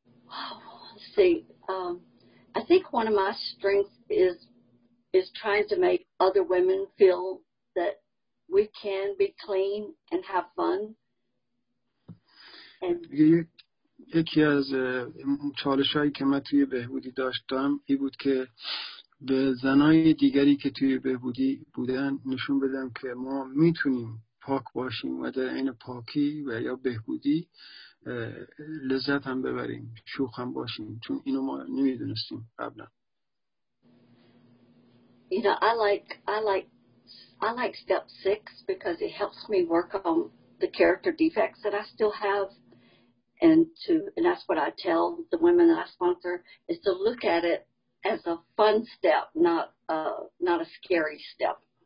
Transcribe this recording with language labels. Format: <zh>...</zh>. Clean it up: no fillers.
<en>I think one of my strengths is trying to make other women feel that we can be clean and have fun.</en> <fa>یکی از چالش‌هایی که من توی بهبودی داشتم این بود که به زنای دیگری که توی بهبودی بودن نشون بدم که ما میتونیم پاک باشیم و در این پاکی و یا بهبودی لذت هم ببریم شوخ هم باشیم چون اینو ما نمیدونستیم قبلا.</fa> <en>You know, I like step 6 because it helps me work on the character defects that I still have and that's what I tell the women that I sponsor is to look at it as a fun step, not a scary step.</en>